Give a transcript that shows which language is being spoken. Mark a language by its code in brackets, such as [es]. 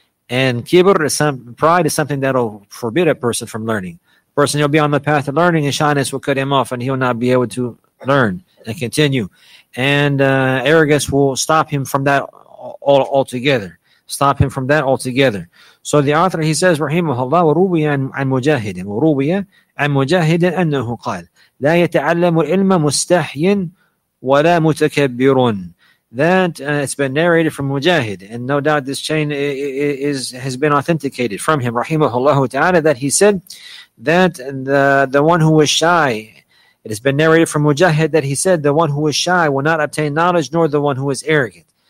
[en] And kibr is pride is something that will forbid a person from learning. A person will be on the path of learning, and shyness will cut him off, and he will not be able to learn and continue. And arrogance will stop him from that altogether. Stop him from that altogether. So the author, he says, [ar] rahimahullah, وَرُوِيَ عَنْ مُجَاهِدٍ وَرُوِيَ عَنْ مُجَاهِدٍ أَنَّهُ قَالَ لَا يَتَعَلَّمُ الْعِلْمَ مُسْتَحْيٍ وَلَا مُتَكَبِّرٌ. [en] That it's been narrated from Mujahid, and no doubt this chain has been authenticated from him, rahimahullah ta'ala, that he said that the one who was shy, it has been narrated from Mujahid that he said, the one who is shy will not obtain knowledge, nor the one who is arrogant.